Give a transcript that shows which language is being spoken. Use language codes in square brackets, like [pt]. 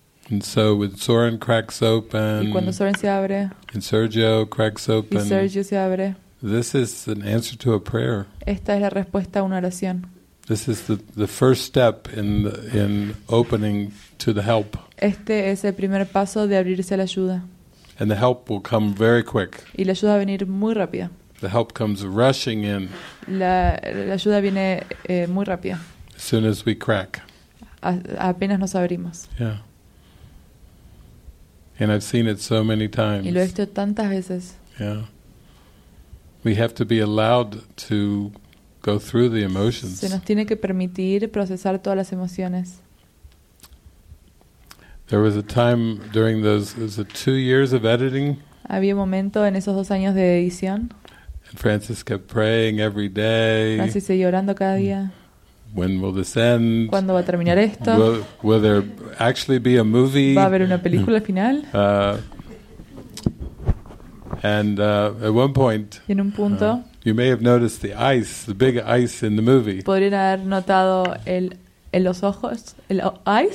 [en] And so when Soren cracks open. [es] Y cuando Soren se abre. [en] And Sergio cracks open. [es] Y Sergio se abre. [en] This is an answer to a prayer. [es] Esta es la respuesta a una oración. [en] This is the first step in opening to the help. [es] Este es el primer paso de abrirse a la ayuda. [en] And the help will come very quick. [es] Y la ayuda va a venir muy rápida. [en] The help comes rushing in. [es] La ayuda viene muy rápida. [en] As soon as we crack. [es] Apenas nos abrimos. Yeah. [en] And I've seen it so many times. [es] Y lo he visto tantas veces. Yeah. [en] We have to be allowed to go through the emotions. [es] Se nos tiene que permitir procesar todas las emociones. [en] There was a time during those it was 2 years of editing. [es] Había un momento en esos 2 años de edición. [en] And Francis kept praying every day. [es] Francis seguía orando cada día. [en] When will this end? [es] ¿Cuándo va a terminar esto? [en] Will there actually be a movie? [es] ¿Va a haber una película final? [en] At one point. [es] Y en un punto. [en] You may have noticed the ice, the big ice in the movie. [es] ¿Podrían haber notado el los ojos, el ice